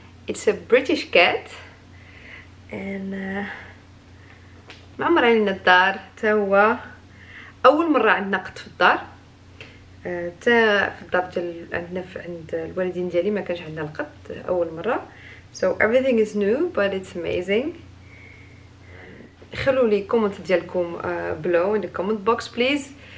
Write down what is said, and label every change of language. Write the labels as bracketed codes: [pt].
[en] it's a British cat [ar] ما مر علينا الدار حتى هو اول مره عندنا قط في الدار حتى في الدار ديال عندنا عند الوالدين ديالي ما كانش عندنا القط اول مره. [en] so everything is new but it's amazing. [ar] خلوا لي كومنت ديالكم [en] Below in الكومنت box please.